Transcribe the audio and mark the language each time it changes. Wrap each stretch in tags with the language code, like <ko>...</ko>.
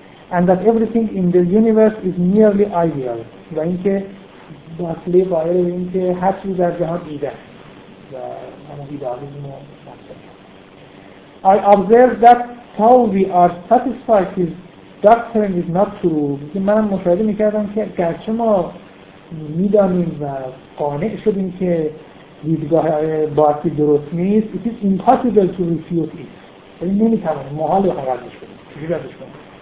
<en>And that everything in the universe is merely ideal.</en> <fa>و اینکه بارکلی قائل به اینکه هر چیز در جهان ایده است و همون ایدئالیسم مطرح.</fa> <en>I observe that though we are satisfied his doctrine is not true.</en> <fa>من مشاهده میکردم که گرچه ما میدانیم و قانع شدیم که دیدگاه بارکلی درست نیست،</fa> <en>it is impossible to refute it.</en> <fa>یعنی نمیتوانیم، محال بخواهدش کنیم، چیزی بردش کنیم.</fa>